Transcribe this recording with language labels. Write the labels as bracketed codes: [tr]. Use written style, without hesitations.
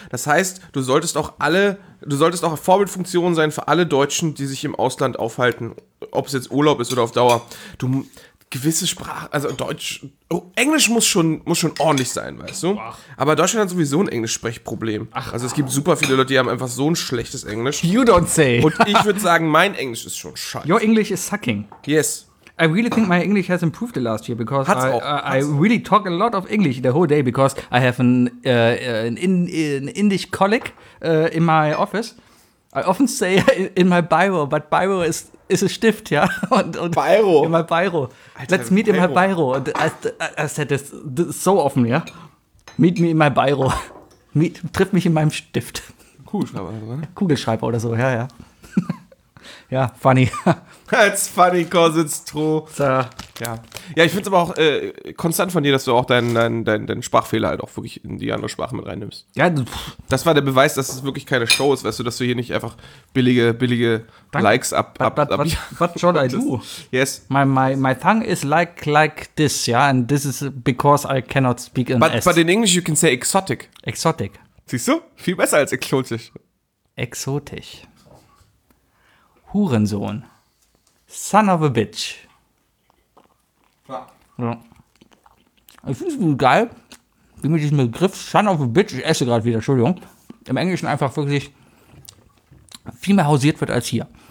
[de] Das heißt, du solltest auch Vorbildfunktion sein für alle Deutschen, die sich im Ausland aufhalten, ob es jetzt Urlaub ist oder auf Dauer. Du gewisse Sprache, also Deutsch, Englisch muss schon ordentlich sein, weißt du? Aber Deutschland hat sowieso ein Englischsprechproblem. Also es gibt super viele Leute, die haben einfach so ein schlechtes Englisch. [en] You don't say. [de] Und ich würde sagen, mein Englisch ist schon scheiße. [en] Your English is sucking. Yes. I really think my English has improved the last year because I really talk a lot of English the whole day because I have an Indian colleague in my office. I often say in my bio, but [de] bio ist ein Stift, ja. Und Bayro. Immer Bayro. Alter, [en] let's meet Bayro. In my Bayro. Und I said this so often, ja. Meet me in my Bayro. [de] Triff mich in meinem Stift. Kugelschreiber oder so, ja. Ja, funny. [en] That's funny, cause it's true. [de] So. Ja. Ja, ich find's aber auch konstant von dir, dass du auch deinen Sprachfehler halt auch wirklich in die andere Sprache mit reinnimmst. Ja. Das war der Beweis, dass es wirklich keine Show ist, weißt du, dass du hier nicht einfach billige Dank. Likes ab. [en] What should I do? Yes. My tongue is like this, yeah, and this is because I cannot speak in S. But in English you can say exotic. Exotic. [de] Siehst du? Viel besser als exotisch. Exotisch. Hurensohn. [en] Son of a bitch. [de] Ja. Ich finde es geil, wie mit diesem Begriff [en] Son of a bitch, [de] ich esse gerade wieder, Entschuldigung, im Englischen einfach wirklich viel mehr hausiert wird als hier.